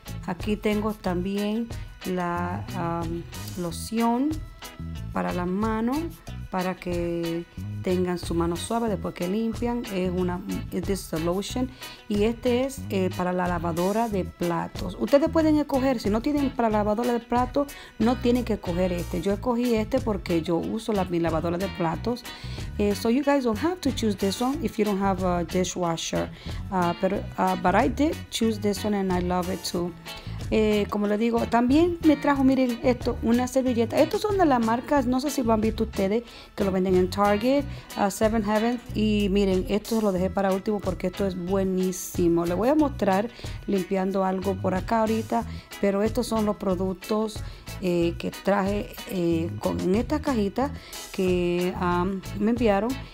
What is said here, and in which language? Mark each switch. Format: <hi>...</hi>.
<es>Aquí tengo también la loción para la mano, para que tengan su mano suave después que limpian.</es> <en>This is a lotion.</en> <es>Y este es para la lavadora de platos. Ustedes pueden escoger, si no tienen para la lavadora de platos, no tienen que escoger este. Yo escogí este porque yo uso mi lavadora de platos.</es> <en>So you guys don't have to choose this one if you don't have a dishwasher. But I did choose this one and I love it too.</en> <es>Como les digo, también me trajo, miren esto, una servilleta. Estos son de las marcas, no sé si lo han visto ustedes, que lo venden en Target, Seven Heaven. Y miren, esto lo dejé para último porque esto es buenísimo. Le voy a mostrar limpiando algo por acá ahorita, pero estos son los productos que traje en esta cajita que me enviaron.</es>